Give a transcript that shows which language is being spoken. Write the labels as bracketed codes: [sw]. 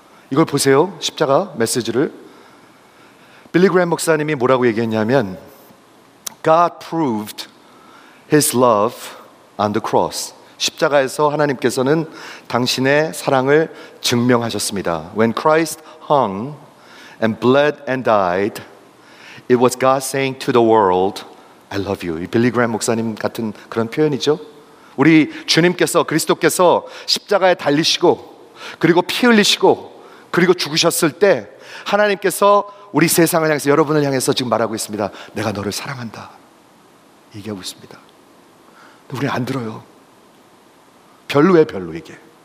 [ko] 이걸 보세요. 십자가 메시지를 빌리 그램 목사님이 뭐라고 얘기했냐면, [en] God proved his love on the cross. [ko] 십자가에서 하나님께서는 당신의 사랑을 증명하셨습니다. [en] When Christ hung and bled and died, it was God saying to the world, I love you. [ko] 이 빌리 그램 목사님 같은 그런 표현이죠. 우리 주님께서, 그리스도께서 십자가에 달리시고 그리고 피 흘리시고 그리고 죽으셨을 때 하나님께서 우리 세상을 향해서, 여러분을 향해서 지금 말하고 있습니다. 내가 너를 사랑한다. 얘기하고 있습니다. 근데 우리 안 들어요. 별로예요, 별로 이게.